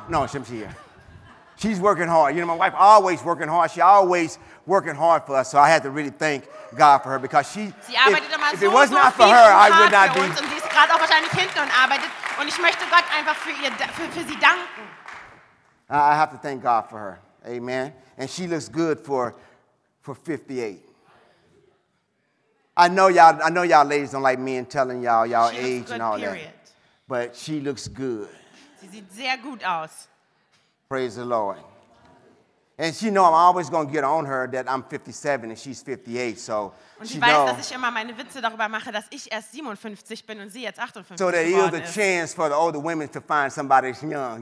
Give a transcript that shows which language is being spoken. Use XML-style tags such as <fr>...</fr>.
<en>No, she's here. She's working hard. You know, my wife always working hard. She always working hard for us. So I had to really thank God for her because she. If it was not for her, I would not be.</en> <de>Und sie ist gerade auch wahrscheinlich hinten und arbeitet. Und ich möchte Gott einfach für sie danken.</de> <en>I have to thank God for her. Amen. And she looks good for 58. I know y'all ladies don't like men telling y'all age and all period. That. But she looks good.</en> <de>Sie sieht sehr gut aus.</de> <en>Praise the Lord. And she know I'm always going to get on her that I'm 57 and she's 58. So</en> <de>und sie weiß, dass ich immer meine Witze darüber mache, dass ich erst 57 bin und sie jetzt 58</de> <en>so that there is a chance for the older women to find somebody that's young.</en>